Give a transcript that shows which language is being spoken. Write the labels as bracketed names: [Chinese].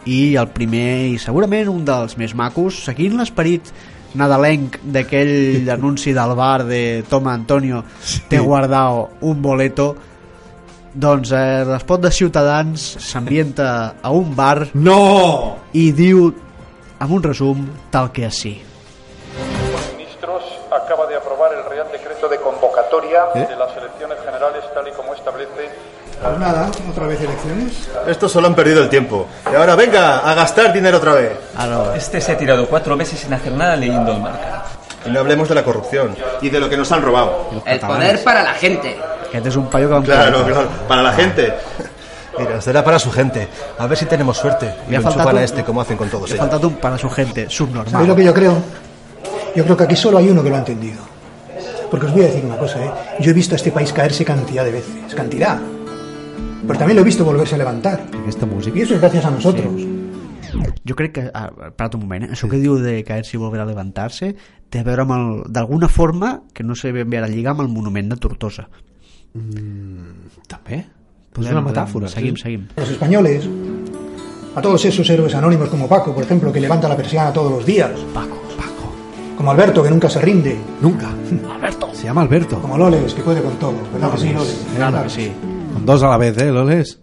[Catalan] I el primer, i segurament un dels més macos, seguint l'esperit nadalenc d'aquell anunci del bar de Toma Antonio, sí, te guardao un boleto, doncs l'espot de Ciutadans s'ambienta a un bar. No! I diu, amb un resum, tal que així. [Spanish] Ministros, acaba de aprobar el Real Decreto de Convocatoria de las elecciones generales tal y como establece. Pues nada, otra vez elecciones. Estos solo han perdido el tiempo. Y ahora venga, a gastar dinero otra vez. Este se ha tirado 4 meses sin hacer nada leyendo el Marca. Y no hablemos de la corrupción y de lo que nos han robado. El poder para la gente. Que este es un payo que va a entrar. Claro, claro, para la gente. Mira, será para su gente. A ver si tenemos suerte. Y lo enchufan a este, como hacen con todos. Le ha faltado un para su gente, subnormal. ¿Sabéis lo que yo creo? Yo creo que aquí solo hay uno que lo ha entendido. Porque os voy a decir una cosa, ¿eh? Yo he visto a este país caerse cantidad de veces. Cantidad. [Catalan] Però també l'he vist [Spanish] volverse a levantar. [Catalan] Aquesta música. I això és gràcies a nosaltres. Jo crec que, parat un moment, això que diu de [Spanish] caer-se i volver a levantar-se [Catalan] té a veure amb el, d'alguna forma, que no sé ben bé ara lligar, amb el monument de Tortosa. També? Podem, és una metàfora. Seguim. [Spanish] Los españoles, a todos esos héroes anónimos como Paco, por ejemplo, que levanta la persiana todos los días. Paco. Como Alberto, que nunca se rinde. Nunca. Alberto. Se llama Alberto. Como Loles, que puede con todo. ¿Verdad Loles, que sí, Loles? Claro que sí. Dos a la vez, Loles.